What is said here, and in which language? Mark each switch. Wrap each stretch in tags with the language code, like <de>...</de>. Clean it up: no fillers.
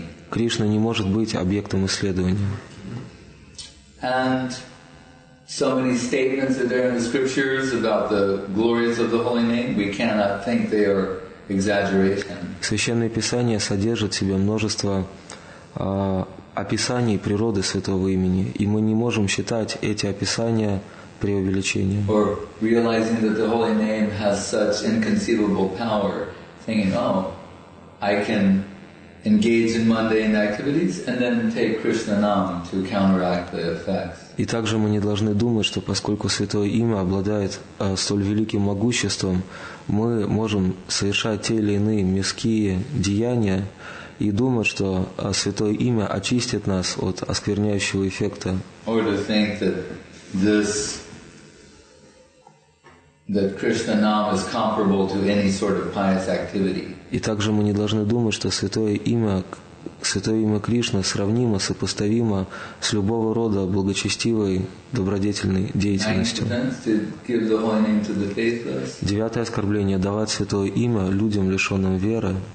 <ru>Кришна не может быть объектом исследования.</ru> <en>And so many statements that are in the scriptures about the glories of the holy name, we cannot think they are exaggeration.</en> <ru>Священное Писание содержит в себе множество описаний природы Святого Имени, и мы не можем считать эти описания преувеличением.</ru> <en>Or realizing that the holy name has such inconceivable power, thinking, oh, I can engage in mundane activities and then take Krishna Nam to counteract the effects.</en> <ru>И также мы не должны думать, что поскольку Святое Имя обладает столь великим могуществом, мы можем совершать те или иные мирские деяния и думать, что Святое Имя очистит нас от оскверняющего эффекта.</ru> <en>Or to think that this, that Krishna Nam is comparable to any sort of pious activity.</en> <ru>И также мы не должны думать, что Святое Имя Кришны сравнимо, сопоставимо с любого рода благочестивой, добродетельной деятельностью. Девятое оскорбление – давать Святое Имя людям, лишенным веры.</ru>